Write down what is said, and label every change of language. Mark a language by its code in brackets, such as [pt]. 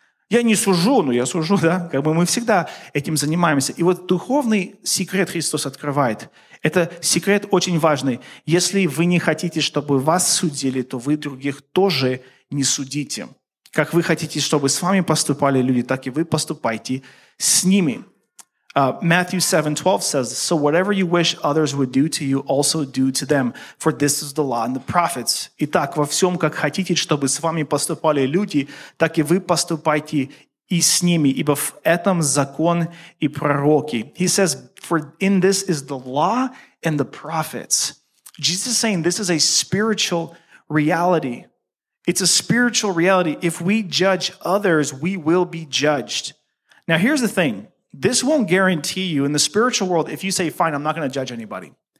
[ru] Я не сужу, но я сужу, да? Как бы мы всегда этим занимаемся. И вот духовный секрет Христос открывает. Это секрет очень важный. Если вы не хотите, чтобы вас судили, то вы других тоже не судите. Как вы хотите, чтобы с вами поступали люди, так и вы поступайте с ними. [en] Matthew 7:12 says, "So whatever you wish others would do to you, also do to them, for this is the law and the prophets." [ru] Итак, во всем, как хотите, чтобы с вами поступали люди, так и вы поступайте и с ними, ибо в этом закон и пророки. [en] He says, "For in this is the law and the prophets." Jesus is saying this is a spiritual reality. It's a spiritual reality. If we judge others, we will be judged. Now, here's the thing. This won't guarantee you in the spiritual world, if you say, fine, I'm not going to judge anybody.